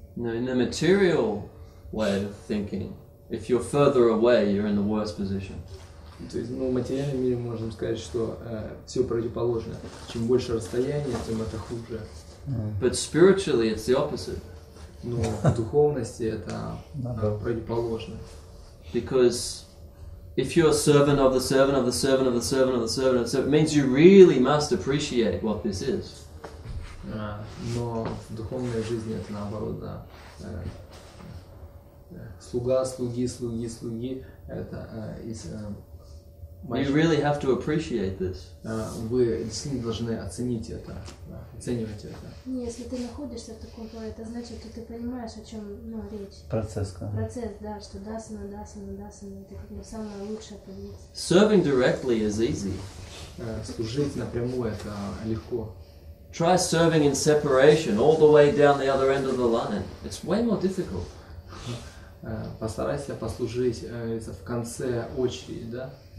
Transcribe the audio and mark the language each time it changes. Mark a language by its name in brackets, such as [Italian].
[English] Now, in the material way of thinking, if you're further away, you're in the worst position. [Russian] То есть, в материальном мире можем сказать, что все противоположно. Чем больше расстояние, тем это хуже. [English] But spiritually, it's the opposite. [Russian] Но в духовности это противоположно. [English] Because if you're a servant of the servant of the servant of the servant of the servant, so it means you really must appreciate what this is. [Russian] Но в духовной жизни это наоборот, да. Слуга, слуги, слуги, слуги. Это из. [English] You really have to appreciate this. [Russian] Вы действительно должны оценить это, оценивать это. Если ты находишься в таком положении, это значит, что ты понимаешь, о чем, ну, речь. Процесс, да. Процесс, да, что дасана, дасана, дасана, это как бы самое лучшее понятие. [English] Serving directly is easy. [Russian] Служить напрямую это легко. [English] Try serving in separation all the way down the other end of the line. It's way more difficult. [Russian] Постарайся послужить в конце очереди, да?